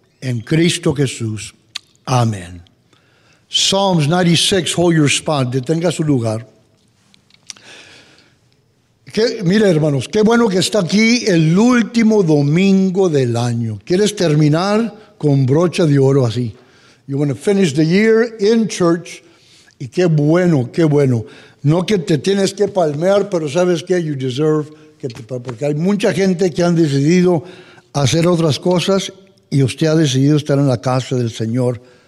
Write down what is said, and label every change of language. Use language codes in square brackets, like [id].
[es] En Cristo Jesús. Amén. [en] Psalms 96, hold your spot. [es] Detenga su lugar. Mire, hermanos, qué bueno que está aquí el último domingo del año. ¿Quieres terminar con brocha de oro así? [en] You want to finish the year in church. [es] Y qué bueno, qué bueno. No que te tienes que palmear, pero ¿sabes qué? [en] You deserve [es] que te palmear. Porque hay mucha gente que han decidido hacer otras cosas y usted ha decidido estar en la casa del Señor.